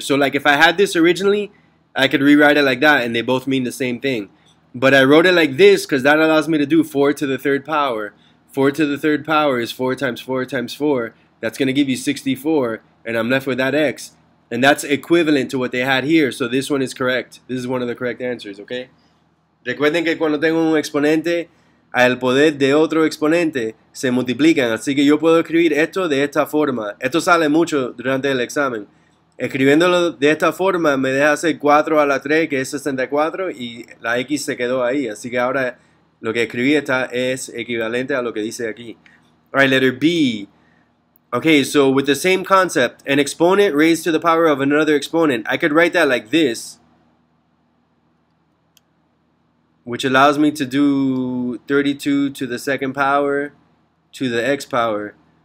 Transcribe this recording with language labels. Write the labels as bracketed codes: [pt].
[en] So like if I had this originally, I could rewrite it like that, and they both mean the same thing. But I wrote it like this because that allows me to do 4 to the 3rd power. 4 to the 3rd power is 4 times 4 times 4. That's going to give you 64, and I'm left with that x. And that's equivalent to what they had here, so this one is correct. This is one of the correct answers, okay? [es] Recuerden que cuando tengo un exponente, al poder de otro exponente se multiplican. Así que yo puedo escribir esto de esta forma. Esto sale mucho durante el examen. Escribiéndolo de esta forma me deja hacer 4 a la 3, que es 64, y la X se quedó ahí. Así que ahora lo que escribí está es equivalente a lo que dice aquí. [en] All right, letter B. Okay, so with the same concept, an exponent raised to the power of another exponent. I could write that like this, which allows me to do 32 to the 2nd power to the x power.